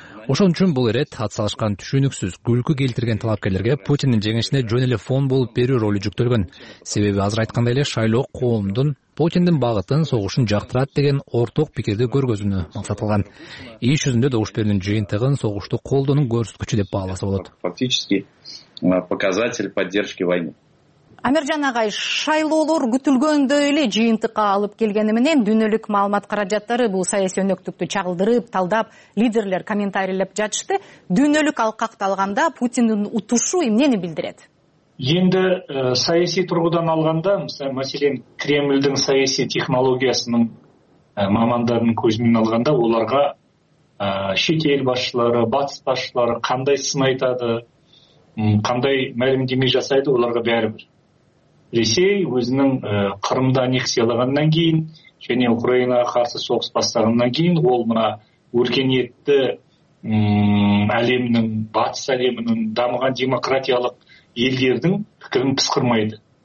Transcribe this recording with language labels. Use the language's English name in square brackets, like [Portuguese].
[Kyrgyz] Ошон үчүн бул ирет атсалышкан түшүнүксүз күлкү келтирген талапкерлерге Путиндин жеңишине жөн эле фон болуп берүү ролу жүктөлгөн. Себеби азыр айткандай эле шайлоо коомдун Путиндин багытын, согушун жактырат деген ортак пикирди көргөзүүнү максаттаган. Иш жүзүндө добуш берүүнүн жыйынтыгын согушту колдоонун көрсөткүчү деп бааласа болот. [Russian] Фактически показатель поддержки войны. [Kyrgyz] Амиржан агай, шайлоолор күтүлгөндөй эле жыйынтыкка алып келгени менен дүйнөлүк маалымат каражаттары бул саясий өнөктүктү чагылдырып, талдап, лидерлер комментарийлеп жатышты. Дүйнөлүк алкакты алганда Путиндин утушу эмнени билдирет? Энди саясий тургудан алганда, маселен, Кремлдин саясий технологиясынын мамандарынын көзүнөн алганда, аларга чет эл башчылары, батыс башчылары [Kazakh] кандай сын айтады, кандай мәлімдеме жасайды, аларга бәрібір. Ресей өзінің Қырымда аннексиялағаннан кейін және Украинаға қарсы соғыс бастағаннан кейін ол мына өркениетті әлемнің, батыс әлемінің дамыған демократиялық елдердің пікірін пысқырмайды.